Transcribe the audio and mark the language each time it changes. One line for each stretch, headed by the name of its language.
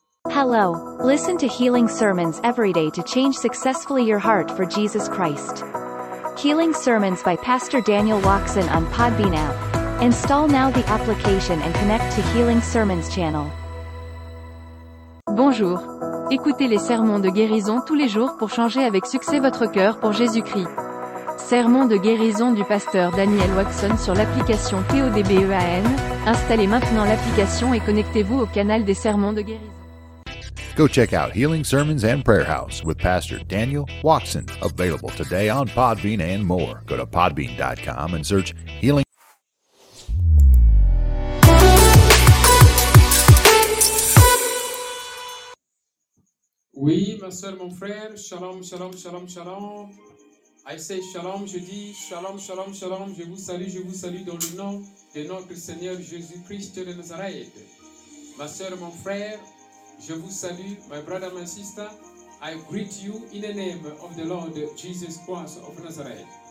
English: Hello. Listen to healing sermons every day to change successfully your heart for Jesus Christ. Healing Sermons by Pastor Daniel Waxon on Podbean app. Install now the application and connect to Healing Sermons channel.
French: Bonjour. Écoutez les sermons de guérison tous les jours pour changer avec succès votre cœur pour Jésus-Christ. Sermon de guérison du pasteur Daniel Waxon sur l'application TODBEAN. Installez maintenant l'application et connectez-vous au canal des sermons de guérison.
English: Go check out Healing Sermons and Prayer House with Pastor Daniel Waxon. Available today on Podbean and more. Go to podbean.com and search Healing.
French: Oui, ma soeur, mon frère. Shalom, shalom, shalom, shalom.
English: I say shalom,
French: je dis shalom, shalom, shalom. Je vous salue dans le nom de notre Seigneur Jésus-Christ de Nazareth. Ma soeur, mon frère. Je vous salue,
English: my brother, my sister. I greet you in the name of the Lord Jesus Christ of Nazareth.